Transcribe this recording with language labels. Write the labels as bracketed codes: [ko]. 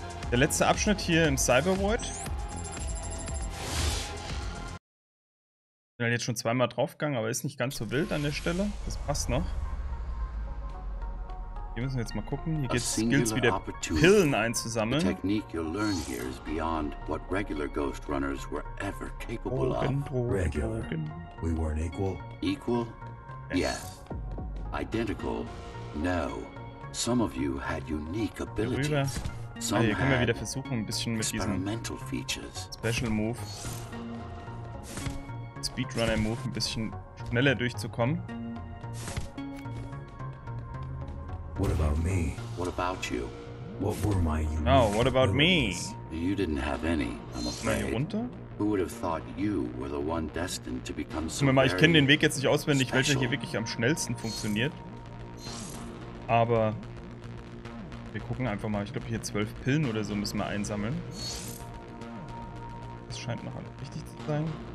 [de] Der letzte Abschnitt hier im Cyber Void. Ich bin jetzt schon zweimal draufgegangen, aber ist nicht ganz so wild an der Stelle. Das passt noch. Hier müssen wir jetzt mal gucken. Hier geht's Skills wieder Pillen einzusammeln. [en] The technique you'll learn here is beyond what regular ghost runners were ever capable of. Regular. We weren't equal. Equal? Yes. Identical? No. Some of you had unique abilities. [de] Okay, hier können wir wieder versuchen, ein bisschen mit diesem Special Move, Speedrunner Move, ein bisschen schneller durchzukommen. [en] What about me? What about you? What were my No, what about me? You didn't have any. I'm afraid. [de] Runter? [en] Who would have thought you were the one destined to become so very special? [de] Ich kenne den Weg jetzt nicht auswendig, welcher hier wirklich am schnellsten funktioniert. Aber wir gucken einfach mal. Ich glaube, hier 12 Pillen oder so müssen wir einsammeln. Das scheint noch richtig zu sein.